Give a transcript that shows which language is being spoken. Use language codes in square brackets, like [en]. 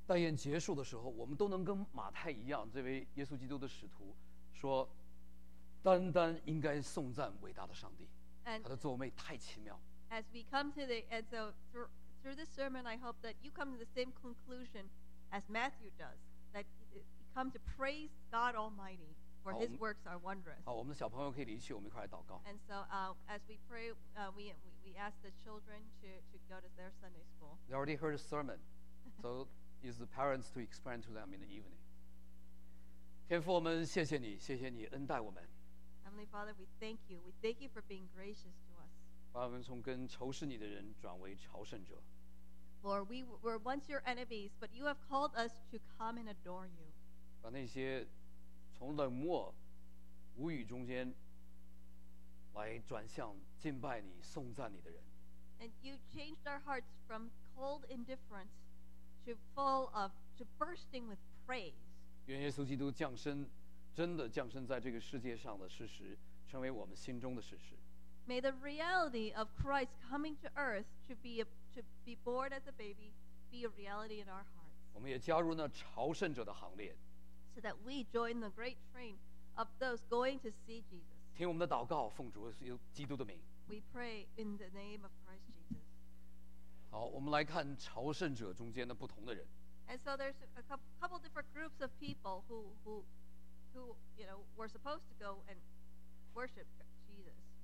[zh] 但愿结束的时候，我们都能跟马太一样，这位耶稣基督的使徒，说，单单应该颂赞伟大的上帝，他的作为太奇妙。 [en] As we come to the end, so through this sermon, I hope that you come to the same conclusion as Matthew does, that you come to praise God Almighty. For his works are wondrous. [zh] 好，我们的小朋友可以离去，我们一块来祷告。 [en] And so, as we pray, we ask the children to go to their Sunday school. They already heard a sermon, so it's the parents to explain to them in the evening. [zh] 天父，我们谢谢你，谢谢你恩待我们。 [en] Heavenly Father, we thank you. We thank you for being gracious to us. [zh] 把我们从跟仇视你的人转为朝圣者。 [en] Lord, we were once your enemies, but you have called us to come and adore you. [zh] 把那些从冷漠、无语中间来转向敬拜你、颂赞你的人。 [en] And you changed our hearts from cold indifference to full of to bursting with praise. [zh] 愿耶稣基督降生，真的降生在这个世界上的事实，成为我们心中的事实。 [en] May the reality of Christ coming to earth to be born as a baby be a reality in our hearts. [zh] 我们也加入那朝圣者的行列。 [en] So that we join the great train of those going to see Jesus. [zh] 听我们的祷告，奉主基督的名。 [en] We pray in the name of Christ Jesus. [zh] 好，我们来看朝圣者中间的不同的人。 [en] And so there's a couple different groups of people who you know were supposed to go and worship Jesus.